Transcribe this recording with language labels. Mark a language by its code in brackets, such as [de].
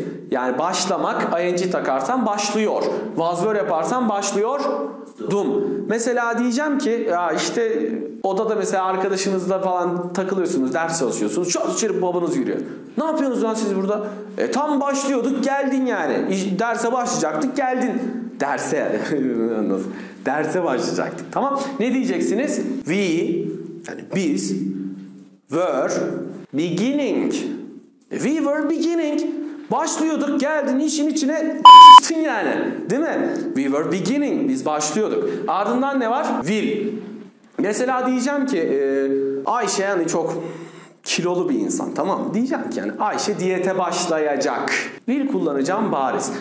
[tr] Yani başlamak, ing takarsan başlıyor. Was, were yaparsan başlıyor. Dum. Mesela diyeceğim ki ya işte odada mesela arkadaşınızla falan takılıyorsunuz, ders çalışıyorsunuz. Çok içeri babanız yürüyor. Ne yapıyorsunuz lan siz burada? Tam başlıyorduk, geldin yani. Derse başlayacaktık, geldin. Derse. Derse başlayacaktık. Tamam. Ne diyeceksiniz? [en] We, yani biz, were beginning. We were beginning. [tr] Başlıyorduk, geldin işin içine yani. Değil mi? [en] We were beginning. [tr] Biz başlıyorduk. Ardından ne var? Will. Mesela diyeceğim ki Ayşe yani çok kilolu bir insan. Tamam mı? Diyeceğim ki yani Ayşe diyete başlayacak. Will kullanacağım bariz.